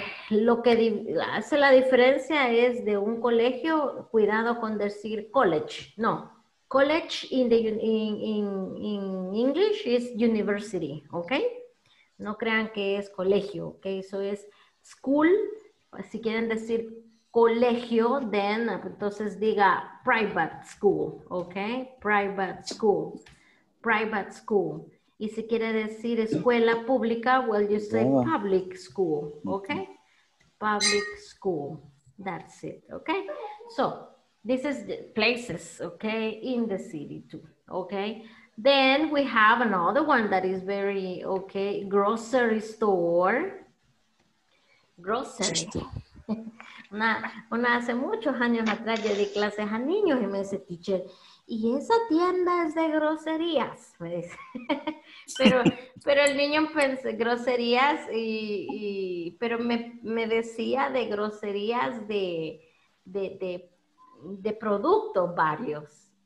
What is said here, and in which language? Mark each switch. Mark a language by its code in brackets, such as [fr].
[es] Lo que hace la diferencia es de un colegio, cuidado con decir college. [en] No, college in the in English is university, okay? [es] No crean que es colegio, okay? Eso es school, si quieren decir colegio, then, entonces diga [en] private school, [es] okay? [en] Private school, private school. [es] Y si quiere decir escuela pública, [en] well, you say public school, okay? Public school, that's it, okay? So, this is the places, okay, in the city too, okay? Then we have another one that is very, okay, grocery store. Grocery. [es] Una hace muchos años atrás yo di clases a niños y me dice, teacher, ¿y esa tienda es de groserías? Me dice. pero el niño pensó groserías pero me decía de groserías de productos varios.